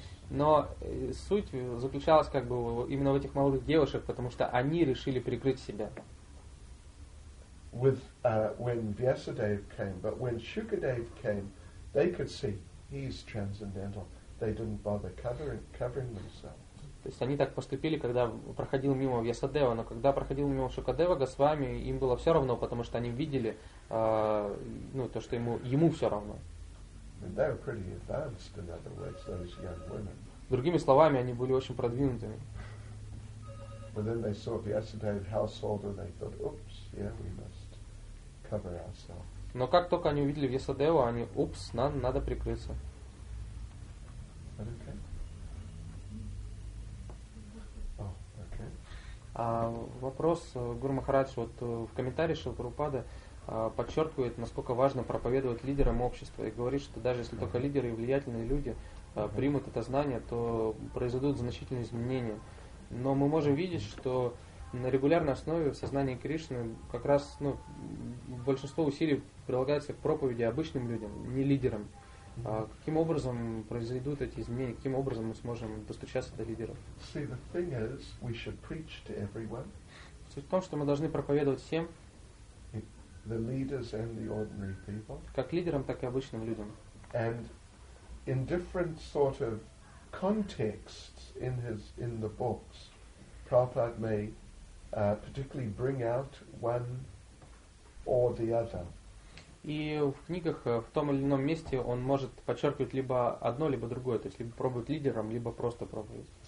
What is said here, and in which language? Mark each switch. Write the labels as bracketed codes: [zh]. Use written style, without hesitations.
[ru] Но суть заключалась как бы именно в этих молодых девушек, потому что они решили прикрыть себя. [en] With when Vyasadeva came, but when Shukadeva came, they could see he's transcendental. They didn't bother covering themselves. [ru] То есть они так поступили, когда проходил мимо Вьясадева, но когда проходил мимо Шукадева Госвами, им было все равно, потому что они видели то, что ему все равно. [en] And they were pretty advanced, in other words, those young women. [ru] Другими словами, они были очень продвинутыми. [en] But then they saw Vyasadeva householder, they thought, "Oops, yeah, we must cover ourselves." [ru] Но как только они увидели Вьясадеву, они, "Упс, нам надо прикрыться." [en] Okay. Oh, okay. [ru] А вопрос Гуру Махарадж вот в комментарии Шрилы Прабхупады. Подчеркивает, насколько важно проповедовать лидерам общества, и говорит, что даже если только лидеры и влиятельные люди примут это знание, то произойдут значительные изменения. Но мы можем видеть, что на регулярной основе в сознании Кришны как раз большинство усилий прилагается к проповеди обычным людям, не лидерам. Каким образом произойдут эти изменения, каким образом мы сможем достучаться до лидеров? [en] See, the thing is, we should preach to everyone. [ru] Суть в том, что мы должны проповедовать всем, [en] the leaders and the ordinary people, [ru] как лидерам, так и обычным людям. [en] And in different sort of contexts in the books, Prabhupada may particularly bring out one or the other. [ru] И в книгах в том или ином месте он может подчеркивать либо одно, либо другое, то есть либо пробовать лидером, либо просто пробовать.